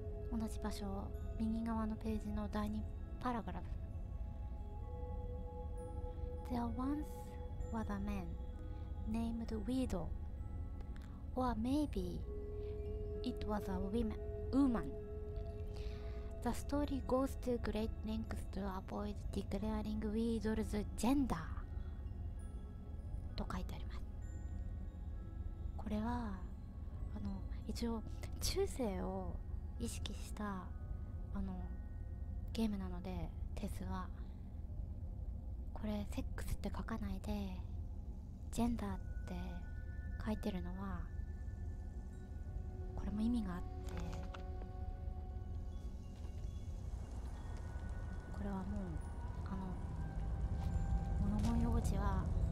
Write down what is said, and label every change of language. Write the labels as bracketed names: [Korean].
[Japanese] 同じ場所を右側のページの第二パラグラフ。 [English] There once was a man named Widow, or maybe it was a woman. The story goes to great lengths to avoid declaring Widow's gender. [Japanese] と書いてあります。これは一応中世を意識したゲームなので、テスはこれセックスって書かないでジェンダーって書いてるのはこれも意味があって、これはもう物の用事は